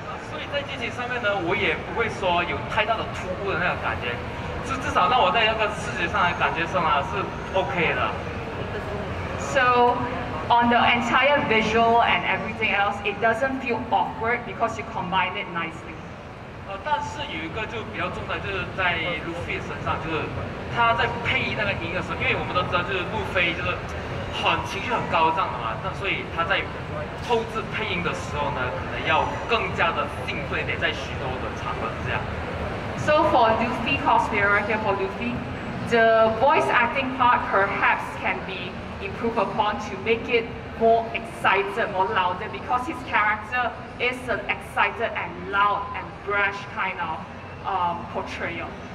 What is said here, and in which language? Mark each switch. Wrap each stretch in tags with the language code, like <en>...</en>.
<en>So in the game, I won't say there's a lot of</en> <zh>突破的感觉, 至少让我在视觉上的感觉上是OK的。</zh> <en>on the entire visual and everything else, it doesn't feel awkward because you combine it nicely.</en> <zh>但是有一個就比較重大就是在路飛身上就是他在配音那個音樂的時候因為我們都知道就是路飛就是很情緒很高漲的嘛那所以他在後置配音的時候呢可能要更加的定位在許多的場合是這樣。So</zh> <en>for Luffy cosplayer right here, for Luffy, the voice acting part perhaps can be improved upon to make it more excited, more louder, because his character is an excited and loud and brash kind of portrayal.</en>